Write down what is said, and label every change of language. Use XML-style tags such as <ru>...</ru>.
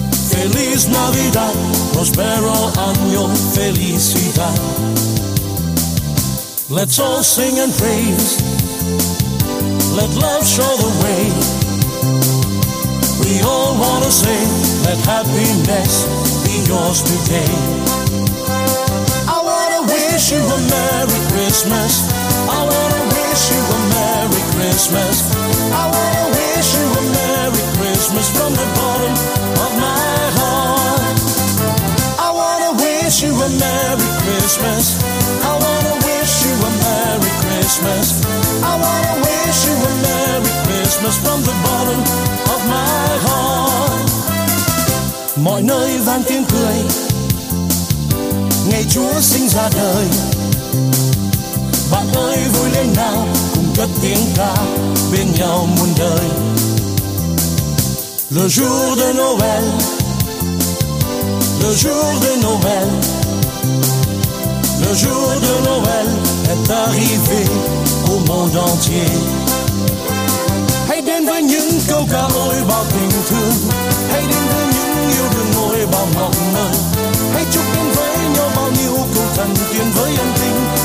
<es>Feliz Navidad, prospero año, felicidad.</es> <en>Let's all sing and praise. Let love show the way. We all want to say, let happiness be yours today. I want to wish you a Merry Christmas. I want to wish you a Merry Christmas. I want to wish you a Merry Christmas from the bottom of my heart. I want to wish you a Merry Christmas. I want to wish you a Merry Christmas. I want to wish you a Merry Christmas from the bottom of my heart.</en> <vi>Mọi nơi vang tiếng cười, ngày Chúa sinh ra đời. Bạn ơi vui lên nào, cùng cất tiếng ca bên nhau muôn đời.</vi> <fr>Le jour de Noël, le jour de Noël, le jour de Noël est arrivé au monde entier.</fr> <vi>Hãy đến với những câu ca ôi bao tình thương, hãy đến với những yêu đương ôi bao mộng mơ, hãy chúc đến với nhau bao nhiêu câu thần tiên với ân tình.</vi>